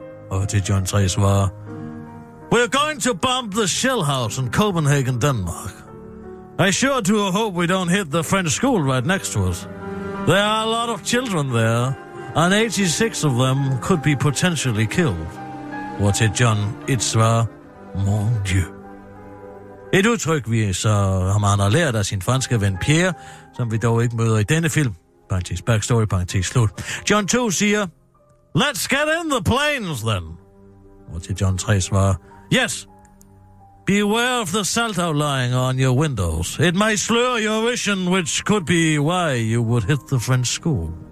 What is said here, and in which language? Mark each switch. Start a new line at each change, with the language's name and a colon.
Danish: Og til John 3 svarer,
English: we're going to bomb the Shell House in Copenhagen, Denmark. I sure do hope we don't hit the French school right next to us. There are a lot of children there, and 86 of them could be potentially killed.
Danish: Hvor til John 1 svarer,
French: mon dieu.
Danish: Et udtryk, vi så har man lært af sin franske ven Pierre, som vi dog ikke møder i denne film. Parenthes backstory, parenthes slut. John 2 siger,
English: let's get in the planes, then.
Danish: Hvor til John 3 svarer,
English: yes. Beware of the salt outlying on your windows. It may slur your vision, which could be why you would hit the French school.